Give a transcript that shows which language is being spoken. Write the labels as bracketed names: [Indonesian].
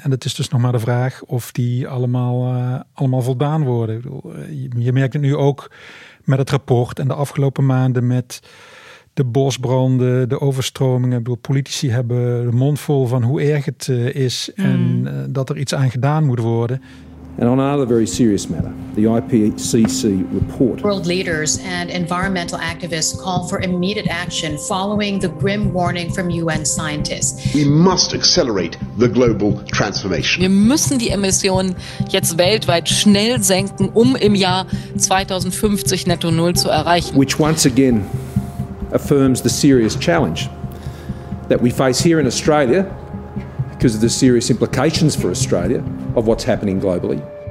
[Dutch] En het is dus nog maar de vraag of die allemaal voldaan worden. Je merkt het nu ook met het rapport en de afgelopen maanden met de bosbranden, de overstromingen. Ik bedoel, politici hebben de mond vol van hoe erg het is en dat er iets aan gedaan moet worden. [English] And on another very serious matter, the IPCC report. World leaders and environmental activists call for immediate action following the grim warning from UN scientists. We must accelerate the global transformation. [German] Wir müssen die Emissionen jetzt weltweit schnell senken, um im Jahr 2050 netto null zu erreichen. [English] Which once again affirms the serious challenge that we face here in Australia because of the serious implications for Australia of what's happening globally.